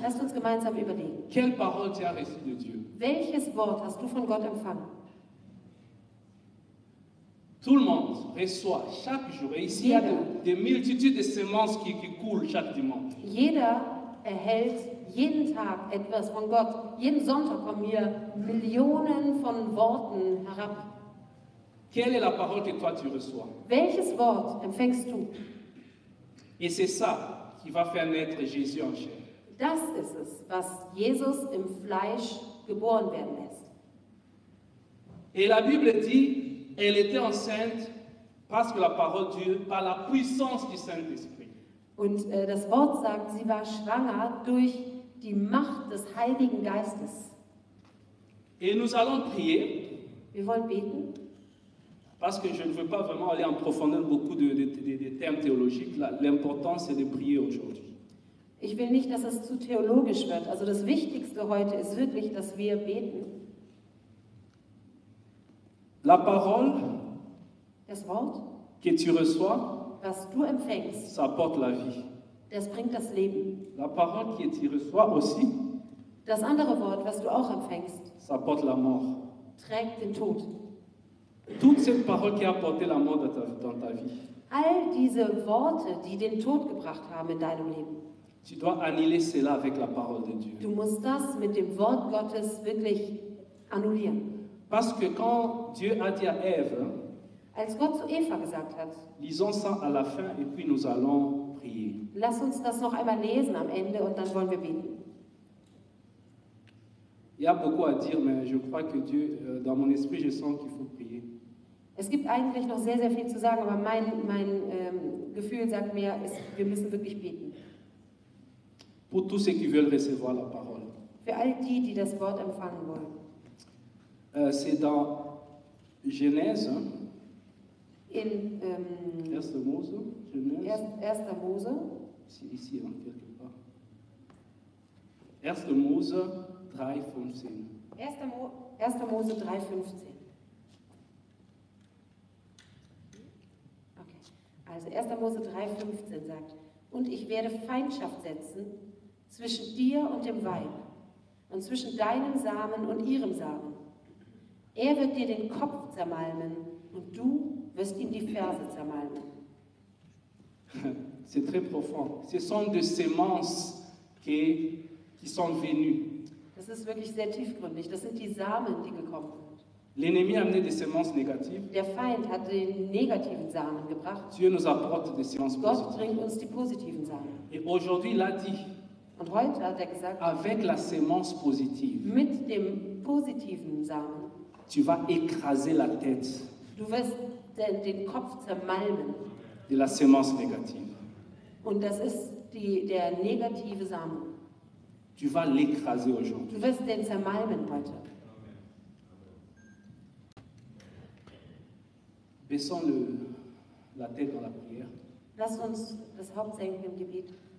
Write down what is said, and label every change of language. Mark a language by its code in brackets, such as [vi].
[de] Lasst uns gemeinsam überlegen. [fr] Quelle parole tu as reçu de Dieu? [de] Welches Wort hast du von Gott empfangen? [fr] Tout le monde reçoit chaque jour. Et ici, il y a des multitudes de semences qui coulent chaque dimanche. [de] Jeder erhält jeden Tag etwas von Gott. Jeden Sonntag kommen hier Millionen von Worten herab. [fr] Quelle est la parole que toi tu reçois? [de] Welches Wort empfängst du? [fr] Et c'est ça qui va faire naître Jésus en chair. [de] Das ist es, was Jesus im Fleisch geboren werden lässt. [fr] Et la Bible dit, elle était enceinte parce que la parole de Dieu, par la puissance du Saint-Esprit. [de] Und das Wort sagt, sie war schwanger durch die Macht des Heiligen Geistes. [fr] Et nous allons prier. [de] Wir wollen beten. [fr] Parce que je ne veux pas vraiment aller en profondeur beaucoup de termes théologiques. L'important, c'est de prier aujourd'hui. [de] Ich will nicht, dass es zu theologisch wird. Also das Wichtigste heute ist wirklich, dass wir beten. [fr] La parole, [de] das Wort, [fr] que tu reçois, [de] was du empfängst, [fr] ça apporte la vie. [de] Das bringt das Leben. [fr] La parole, que tu reçois aussi, [de] das andere Wort, was du auch empfängst, [fr] ça apporte la mort. [de] Trägt den Tod. [fr] Toutes ces paroles qui ont apporté la mort dans ta vie. [de] All diese Worte, die den Tod gebracht haben in deinem Leben. [fr] Tu dois annuler cela avec la parole de Dieu. [de] Du musst das mit dem Wort Gottes wirklich annulieren. [fr] Parce que quand Dieu a dit à Ève, [de] als Gott zu Eva gesagt hat, [fr] lisons ça à la fin et puis nous allons prier. [de] Lass uns das noch einmal lesen am Ende und dann wollen wir beten. [fr] Il y a beaucoup à dire, mais je crois que Dieu, dans mon esprit, je sens qu'il faut prier. [de] Es gibt eigentlich noch sehr, sehr viel zu sagen, aber mein Gefühl sagt mir, wir müssen wirklich beten. [fr] Pour tous ceux qui veulent recevoir la parole. [de] Für all die, die das Wort empfangen wollen. [fr] C'est dans Genèse. [de] In 1. Mose. Genèse. 1. Mose. [fr] C'est ici, en quelque part. [de] 1. Mose. 3:15. 1. Mose 3:15. Okay. Also 1. Mose 3:15 sagt: Und ich werde Feindschaft setzen zwischen dir und dem Weib und zwischen deinem Samen und ihrem Samen. Er wird dir den Kopf zermalmen und du wirst ihm die Ferse zermalmen. [fr] C'est très profond. Ce sont des semences qui sont venues. [de] Das ist wirklich sehr tiefgründig. Das sind die Samen, die gekommen sind. [fr] L'ennemi a amené des semences négatives. [de] Der Feind hat den negativen Samen gebracht. [fr] Dieu nous apporte des semences positives. [de] Gott bringt uns die positiven Samen. [fr] Et aujourd'hui, il a dit, [de] und heute hat er gesagt, [fr] avec la semence positive, [de] mit dem positiven Samen, [fr] tu vas écraser la tête, [de] du wirst den Kopf zermalmen, [fr] de la semence négative. [de] Und das ist der negative Samen. [fr] Tu vas l'écraser aujourd'hui. [de] Du wirst den zermalmen heute. [fr] Baissons la tête dans la prière. [de] Lass uns das Haupt senken im Gebet.